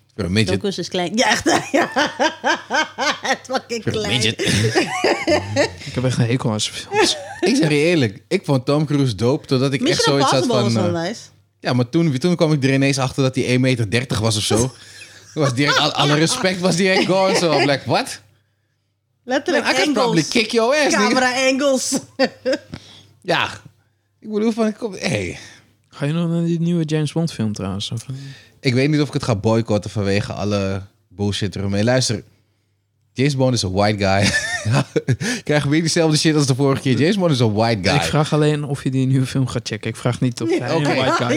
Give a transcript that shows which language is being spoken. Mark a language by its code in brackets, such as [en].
[nl] Tom Cruise is klein. Ja, echt. Het fucking klein. Ik heb echt een hekel aan zijn films. Ik zeg je eerlijk. Ik vond Tom Cruise dope. Totdat ik echt zoiets had van... Was nice. Ja, maar toen kwam ik er ineens achter dat hij 1,30 meter was of zo. Was direct, alle respect was direct gone. [en] Zo, like, what? [nl] Letterlijk [en] I angles. I probably kick your ass. Camera angles. [nl] Ja. Ik bedoel van... Ga je nog naar die nieuwe James Bond film trouwens? Of... Ik weet niet of ik het ga boycotten vanwege alle bullshit eromheen. Luister, James Bond is een white guy. Ik krijg weer diezelfde shit als de vorige keer. James Bond is een white guy. Ik vraag alleen of je die nieuwe film gaat checken. Ik vraag niet of hij een white guy is.